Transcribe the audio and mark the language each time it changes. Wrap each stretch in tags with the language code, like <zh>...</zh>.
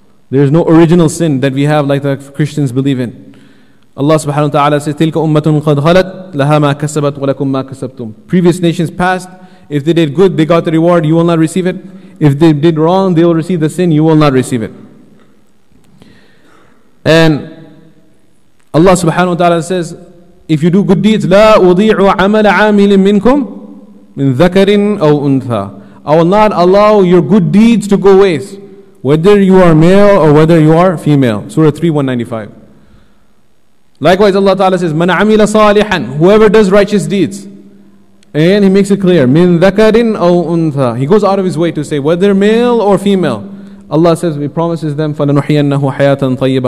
<en>There is no original sin that we have like the Christians believe in. Allah subhanahu wa ta'ala says,</en> <ar>تِلْكَ أُمَّةٌ قَدْ خَلَتْ لَهَا مَا كَسَبَتْ وَلَكُمْ مَا كَسَبْتُمْ.</ar> <en>Previous nations passed, if they did good, they got the reward, you will not receive it. If they did wrong, they will receive the sin, you will not receive it. And Allah subhanahu wa ta'ala says, if you do good deeds,</en> <ar>لا أضيع عمل عامل منكم من ذكر أو أنثى.</ar> <en>I will not allow your good deeds to go waste, whether you are male or whether you are female. Surah 3, 195. Likewise, Allah ta'ala says,</en> <ar>من عمل صالحا,</ar> <en>whoever does righteous deeds. And he makes it clear,</en> <ar>min dhakarin aw untha.</ar> <en>He goes out of his way to say, whether male or female, Allah says, he promises them,</en> <ar>فَلَنُحِيَنَّهُ حَيَاةً طَيِّبًا.</ar>